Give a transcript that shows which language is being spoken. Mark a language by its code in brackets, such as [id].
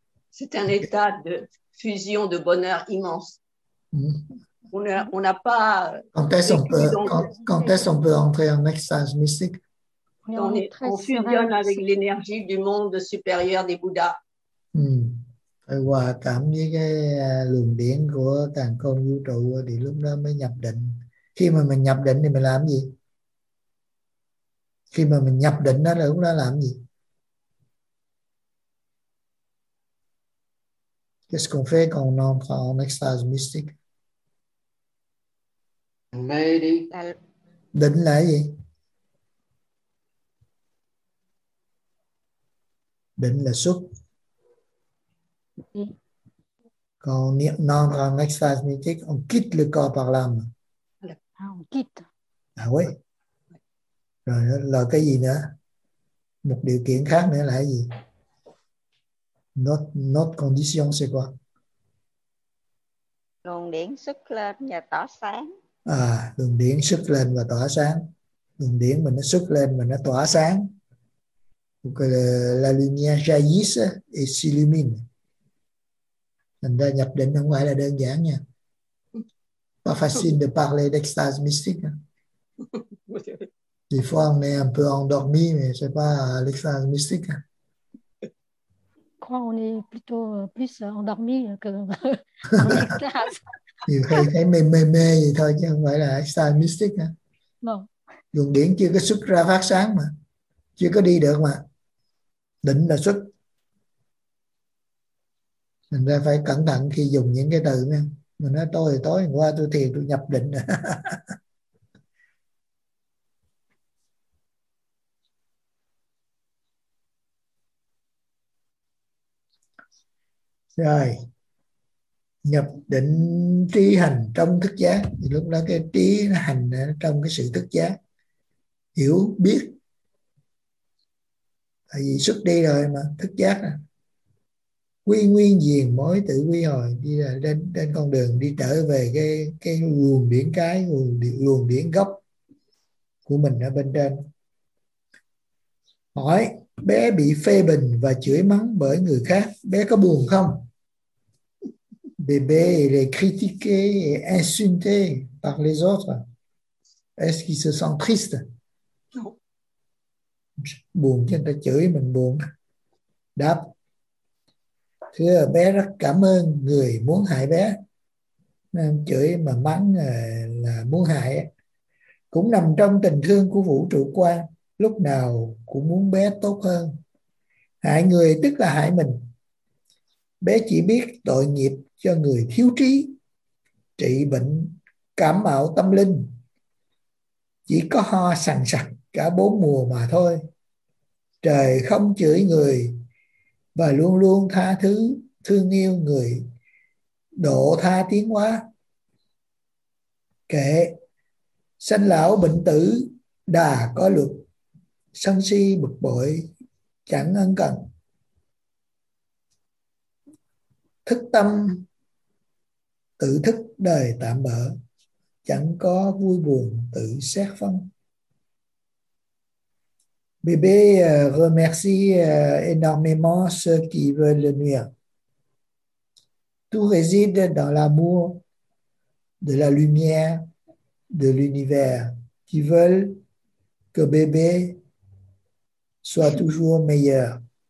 [fr] C'est un état de fusion de bonheur immense. On n'a pas... Quand est-ce qu'on peut entrer en extase mystique? On fusionne avec l'énergie du monde supérieur des Bouddhas. [vi] Phải hòa cảm với cái luồng điển của càn khôn vũ trụ thì lúc đó mới nhập định. Khi mà mình nhập định thì mình làm gì? Khi mà mình nhập định đó là lúc đó làm gì? [fr] Qu'est-ce qu'on fait quand on entre en extase mystique? Médite. [vi] Định là gì? Định là xuất. [fr] Quand on entre en extase mystique, on quitte le corps par l'âme. Ah, on quitte. Ah oui. [vi] Rồi là cái gì nữa? Một điều kiện khác nữa là cái gì? [fr] Notre condition, c'est quoi? [vi] Luồng điển xuất lên và tỏa sáng. À, luồng điển xuất lên và tỏa sáng. Luồng điển mà nó xuất lên và nó tỏa sáng. [fr] La lumière jaillit et s'illumine. [vi] Thành ra nhập định không phải là đơn giản nha. [fr] Pas facile de parler d'extase mystique. Des fois on est un peu endormi, mais c'est pas l'extase mystique. Je crois qu'on est plutôt plus endormi que l'extase. Il fait [vi] mê gì thôi, chứ không phải là extase mystique. [fr] Non. [vi] Luồng điển chưa có xuất ra phát sáng mà, chưa có đi được mà. Định là xuất. Thành ra phải cẩn thận khi dùng những cái từ nha. Mình nói tôi thì tối hôm qua tôi thiền tôi nhập định. Rồi. Nhập định trí hành trong thức giác. Thì lúc đó cái trí hành trong cái sự thức giác. Hiểu biết. Tại vì xuất đi rồi mà thức giác à. Quy nguyên diền mối tự quy hồi đi là lên trên con đường đi trở về cái luồng điển cái luồng điển gốc của mình ở bên trên. Hỏi bé bị phê bình và chửi mắng bởi người khác, bé có buồn không? [fr] Bébé est critiqué et insulté par les autres. Est-ce qu'il se sent triste? [vi] Buồn chứ, người ta chửi mình buồn. Đáp: thưa bé rất cảm ơn người muốn hại bé. Nên chửi mà mắng là muốn hại. Cũng nằm trong tình thương của vũ trụ quan, lúc nào cũng muốn bé tốt hơn. Hại người tức là hại mình. Bé chỉ biết tội nghiệp cho người thiếu trí, trị bệnh cảm mạo tâm linh, chỉ có ho sằng sặc cả bốn mùa mà thôi. Trời không chửi người và luôn luôn tha thứ, thương yêu người độ tha tiến hóa. Kệ: sanh lão bệnh tử đà có luật, sân si bực bội chẳng ân cần. Thức tâm tự thức đời tạm bỡ, chẳng có vui buồn tự xét phân. [fr] Bébé remercie énormément ceux qui veulent le nuire. Tout réside dans l'amour de la lumière de l'univers qui veulent que bébé soit toujours meilleur.